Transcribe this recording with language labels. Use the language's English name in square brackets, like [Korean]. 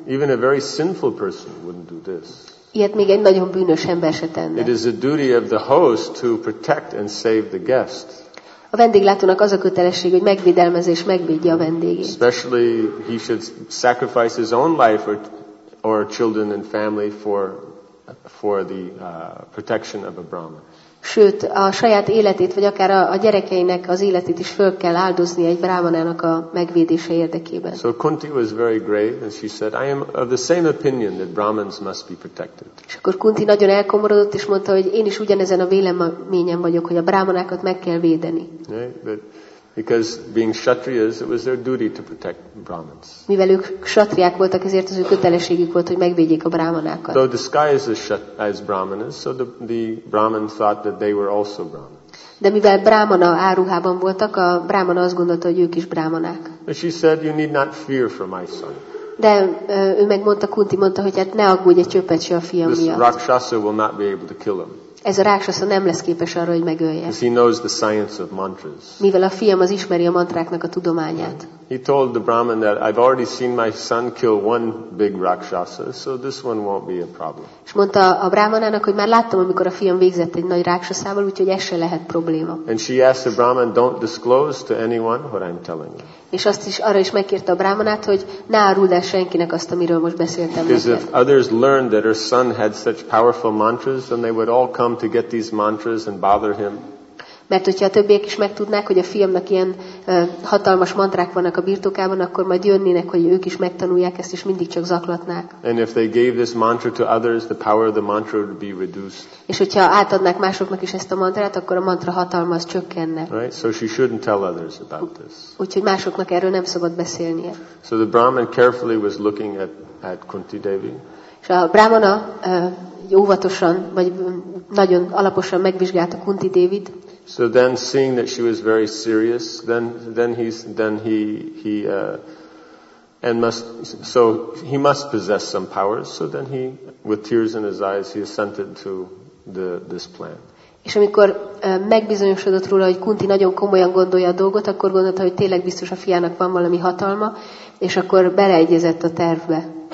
[English] Even a very sinful person wouldn't do this. [Hungarian] Ilyet még egy nagyon bűnös ember se tenne. [English] It is the duty of the host to protect and save the guest. [Hungarian] A vendéglátónak az a kötelesség, hogy megvédelmezze és megvédje a vendégét. [English] Especially he should sacrifice his own life or children and family for the protection of a Brahmin. [Hungarian] Sőt, a saját életét, vagy akár a gyerekeinek az életét is föl kell áldozni egy brámanának a megvédése érdekében. [English] So Kunti was very grave, and she said, I am of the same opinion that Brahmins must be protected. [Hungarian] És akkor Kunti nagyon elkomorodott, és mondta, hogy én is ugyanezen a véleményen vagyok, hogy a brámanákat meg kell védeni. [English] Because being kshatriyas, it was their duty to protect Brahmins. [Hungarian] Mivel ők kshatriák voltak, ezért az ő kötelességük volt, hogy megvédjék a brahmanákat. [English] So disguised as brahmanas, so the brahmin thought that they were also brahmin. [Hungarian] De mivel brahmana áruhában voltak, a brahmana azt gondolta, hogy ők is brahmanák. [English] And she said, you need not fear for my son. [Hungarian] De ő megmondta, Kunti mondta, hogy hát ne aggódj egy csöppet se a fiam [English] this [Hungarian] miatt. [English] This rakshasa will not be able to kill him. [Hungarian] Ez a rákszasza nem lesz képes arra, hogy megölje. [English] He knows the science of mantras. [Hungarian] Mivel a fiam az ismeri a mantráknak a tudományát. [English] He told the Brahmin that I've already seen my son kill one big rakshasa, so this one won't be a problem. [Hungarian] És mondta a brahmanának, hogy már láttam, amikor a fiam végzett egy nagy rakshasával, úgyhogy ez se lehet probléma. [English] And she asked the Brahmin, don't disclose to anyone what I'm telling you. [Hungarian] És azt is arra is megkérte a brahmanát, hogy ne áruld el senkinek azt, amiről most beszéltem. [English] Because if others learned that her son had such powerful mantras, then they would all come to get these mantras and bother him. [Hungarian] Mert hogyha a többiek is megtudnák, hogy a fiamnak ilyen hatalmas mantrák vannak a birtokában, akkor majd jönnének, hogy ők is megtanulják ezt, és mindig csak zaklatnák. [English] And if they gave this mantra to others, the power of the mantra would be reduced. [Hungarian] És hogyha átadnák másoknak is ezt a mantrát, akkor a mantra hatalma az csökkenne. [English] Right? So she shouldn't tell others about this. [Hungarian] Úgyhogy másoknak erről nem szabad beszélnie. [English] So the Brahmin carefully was looking at Kunti Devi. [Hungarian] És a Brahmana óvatosan, vagy nagyon alaposan megvizsgálta Kunti Devit. [English] So then seeing that she was very serious, then he must possess some powers, so then he, with tears in his eyes, he assented to this plan. [Hungarian] És amikor megbizonyosodott róla, hogy Kunti nagyon komolyan gondolja a dolgot, akkor gondolta, hogy tényleg biztos a fiának van valami hatalma, és akkor beleegyezett a tervbe.